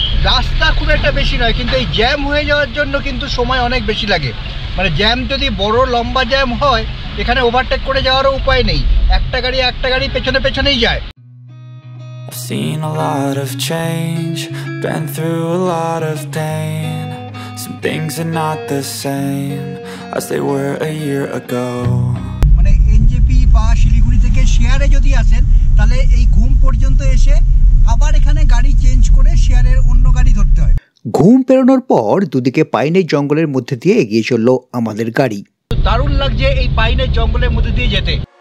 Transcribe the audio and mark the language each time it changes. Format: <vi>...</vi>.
<bn>রাস্তা খুব একটা বেশি নয়, কিন্তু এই জ্যাম হয়ে যাওয়ার জন্য কিন্তু সময় অনেক বেশি লাগে। মানে জ্যাম যদি বড় লম্বা জ্যাম হয়, এখানে ওভারটেক করে যাওয়ারও উপায় নেই, একটা গাড়ি পেছনে পেছনেই যায়।</bn> <en>I've seen a lot of change, been through a lot of pain. Things are not the same as they were a year ago.</en> <bn>মানে এনজেপি বা শিলিগুড়ি থেকে শেয়ারে যদি আসেন, তাহলে এই ঘুম পর্যন্ত এসে আবার এখানে গাড়ি চেঞ্জ করে শেয়ারের অন্য গাড়ি ধরতে হয়। ঘুম পেরোনোর পর দুদিকে পাইনের জঙ্গলের মধ্যে দিয়ে এগিয়ে চললো আমাদের গাড়ি। দারুণ লাগছে এই পাইনের জঙ্গলের মধ্যে দিয়ে যেতে।</bn>